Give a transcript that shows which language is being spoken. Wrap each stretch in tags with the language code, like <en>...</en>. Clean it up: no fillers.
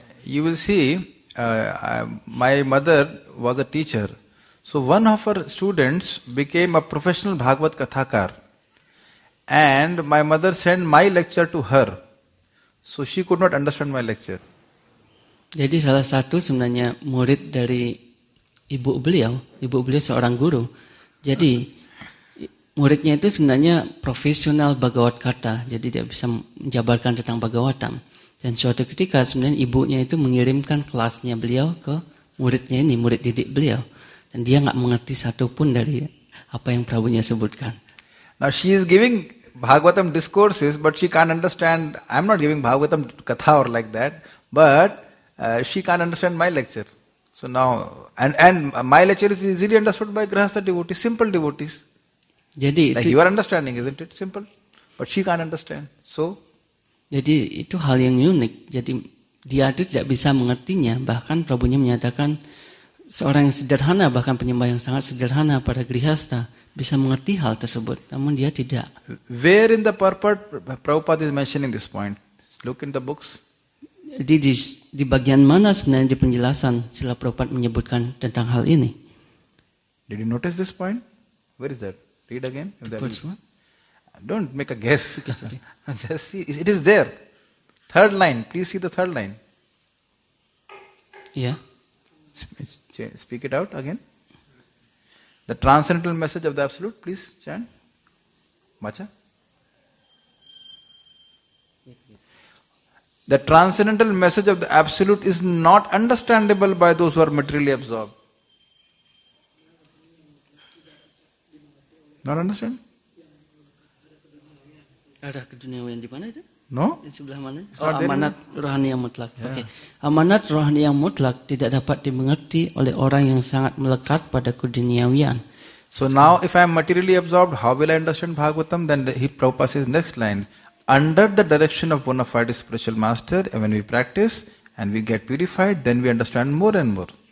<en>You will see, my mother was a teacher. So one of her students became a professional Bhagavat Kathakar. And my mother sent my lecture to her. So she could not understand my lecture.</en> <id>Jadi salah satu sebenarnya murid dari ibu beliau seorang guru. Jadi muridnya itu sebenarnya profesional Bhagavat Kata. Jadi dia bisa menjabarkan tentang Bhagavatam. Dan suatu ketika sebenarnya ibunya itu mengirimkan kelasnya beliau ke muridnya ini, murid didik beliau. Dan dia enggak mengerti satu pun dari apa yang Prabhunya sebutkan.</id> <en>Now she is giving Bhagavatam discourses, but she can't understand. I'm not giving Bhagavatam katha or like that, but she can't understand my lecture. So now, and my lecture is easily understood by grahastha devotees, simple devotees.</en> <id>Jadi,</id> <en>like you are understanding, isn't it? Simple. But she can't understand. So?</en> <id>Jadi itu hal yang unik. Jadi dia itu tidak bisa mengertinya. Bahkan Prabhunya menyatakan seorang yang sederhana, bahkan penyembah yang sangat sederhana pada grihastha bisa mengerti hal tersebut. Namun dia tidak.</id> <en>Where in the purport Prabhupada is mentioning this point? Look in the books.</en> <id>Jadi di bagian mana sebenarnya di penjelasan Srila Prabhupada menyebutkan tentang hal ini?</id> <en>Did you notice this point? Where is that? Read again. First one. Don't make a guess. Just see, it is there. Third line. Please see the third line. Yeah. Speak it out again. The transcendental message of the Absolute. Please chant. Macha. The transcendental message of the Absolute is not understandable by those who are materially absorbed. Not understand?</en> <id>Arah ke duniawian di mana itu?</id> <en>No.</en> <id>Di sebelah mana? Oh, amanat rohani yang mutlak. Yeah. Okay. Amanat rohani yang mutlak tidak dapat dimengerti oleh orang yang sangat melekat pada keduniawian.</id> <en>So now if I am materially absorbed, how will I understand Bhagavatam? Then he Prabhupada says next line, under the direction of bona fide spiritual master, when we practice and we get purified, then we understand more and more.</en>